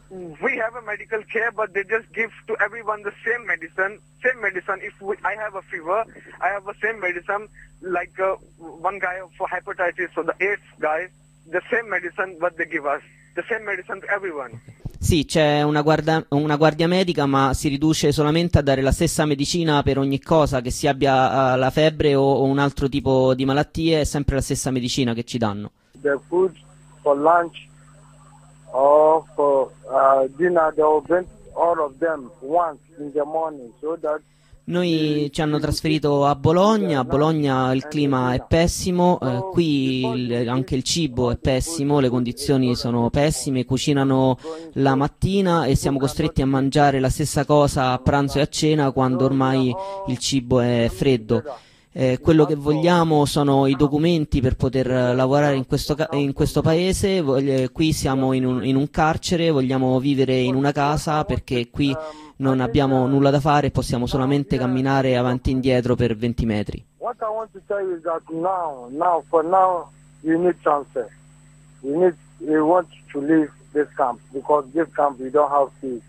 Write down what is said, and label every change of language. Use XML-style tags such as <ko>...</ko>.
<en>We have a medical care, but they just give to everyone the same medicine. I have a fever, I have the same medicine, like one guy for hepatitis, so the AIDS guy, the same medicine what they give us, the same medicine to everyone. Okay.</en> <it>Sì, c'è una guardia medica, ma si riduce solamente a dare la stessa medicina per ogni cosa, che si abbia la febbre o un altro tipo di malattie, è sempre la stessa medicina che ci danno.</it> <en>The food for lunch or for dinner, they will bring all of them once in the morning, so that...</en> <it>Noi ci hanno trasferito a Bologna il clima è pessimo, qui anche il cibo è pessimo, le condizioni sono pessime, cucinano la mattina e siamo costretti a mangiare la stessa cosa a pranzo e a cena quando ormai il cibo è freddo. Quello che vogliamo sono i documenti per poter lavorare in questo paese. Qui siamo in un carcere, vogliamo vivere in una casa perché qui non abbiamo nulla da fare, possiamo solamente camminare avanti e indietro per 20 metri.</it> <en>What I want to tell you is that now for now you need transfer. You want to leave this camp because this camp you don't have peace.</en>